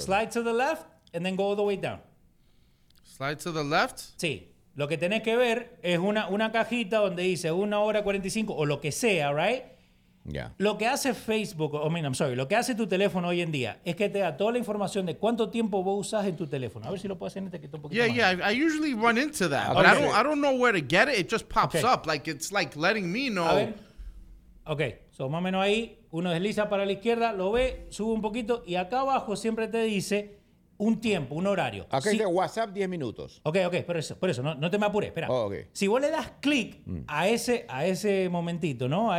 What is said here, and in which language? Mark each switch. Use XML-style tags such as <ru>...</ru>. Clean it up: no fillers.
<en>Slide to the left and then go all the way down. Slide to the left.</en> <es>Sí. Lo que tenés que ver es una cajita donde dice 1 hora 45 o lo que sea,</es> <en>right? Yeah.</en> <es>Lo que hace Facebook, lo que hace tu teléfono hoy en día es que te da toda la información de cuánto tiempo vos usás en tu teléfono. A ver si lo puedo hacer en este que está un poquito.</es> <en>Yeah,</en> <es>más.</es> <en>Yeah. I usually run into that, okay, but I don't know where to get it. It just pops, okay, up. Like it's like letting me know.</en> <es>A ver. Okay. So más o menos ahí, uno desliza para la izquierda, lo ve, sube un poquito y acá abajo siempre te dice un tiempo, un horario. Acá dice WhatsApp 10 minutos. Ok, por eso, no te me apures, espera.</es> <en>Oh, okay.</en> <es>Si vos le das clic a ese momentito, ¿no?</es>